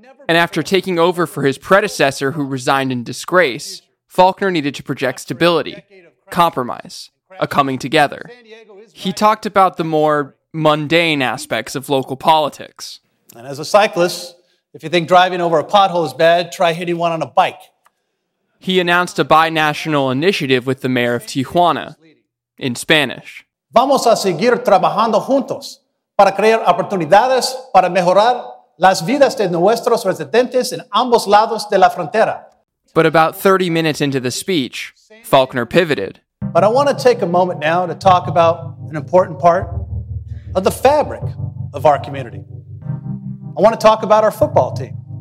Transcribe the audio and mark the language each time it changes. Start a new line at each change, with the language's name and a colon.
English: And after taking over for his predecessor who resigned in disgrace, Faulkner needed to project stability, compromise, a coming together. He talked about the more mundane aspects of local politics. And as a cyclist, if you think driving over a pothole is bad, try hitting one on a bike. He announced a bi-national initiative with the mayor of Tijuana, in Spanish.
Spanish: Vamos a seguir trabajando juntos para crear oportunidades para mejorar las vidas de nuestros residentes en ambos lados de la frontera.
English: But about 30 minutes into the speech, Faulkner pivoted. But I want to take a moment now to talk about an important part of the fabric of our community. I want to talk about our football team.